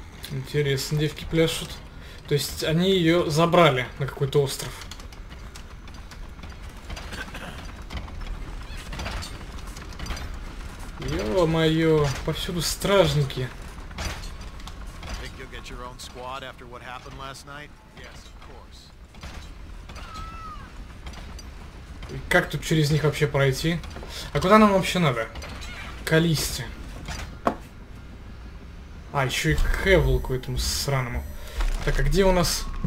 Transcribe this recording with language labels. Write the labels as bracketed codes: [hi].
[ru] Интересно, девки пляшут. То есть они ее забрали на какой-то остров. Ё-моё, повсюду стражники. [en] Think you'll get your own squad after what happened last night? Yes, of course. [ru] И как тут через них вообще пройти? А куда нам вообще надо? Калисте. А, еще и к Эволку этому сраному. Так, а где у нас?